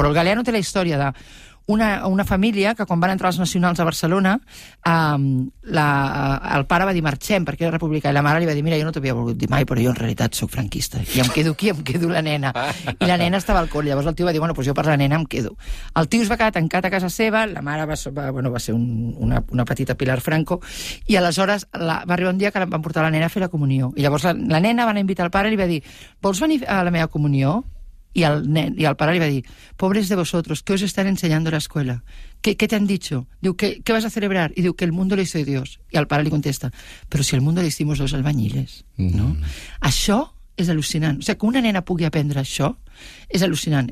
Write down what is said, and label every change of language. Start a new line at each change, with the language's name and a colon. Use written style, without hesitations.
Catalan: Però el Galeano té la història de... Una família que quan van entrar els nacionals a Barcelona, el pare va dir marxem perquè era republicà i la mare li va dir mira, jo no t'havia volgut dir mai, però jo en realitat sóc franquista i em quedo aquí, em quedo la nena. I la nena estava al col, i llavors el tio va dir bueno, doncs jo per la nena em quedo. El tio es va quedar tancat a casa seva, la mare va ser una petita Pilar Franco i aleshores va arribar un dia que van portar la nena a fer la comunió. I llavors la nena va anar a invitar el pare i li va dir vols venir a la meva comunió? I el nen, i el pare li va dir,
Spanish: pobres de vosotros, ¿qué os están enseñando a la escuela? ¿Qué te han dicho?
Catalan: Diu,
Spanish: ¿qué vas a celebrar?
Catalan: I diu,
Spanish: que el mundo le hizo Dios.
Catalan: I el pare li contesta,
Spanish: pero si el mundo le hicimos los albañiles.
Catalan: No? Això és al·lucinant. O sigui, que una nena pugui aprendre això és al·lucinant.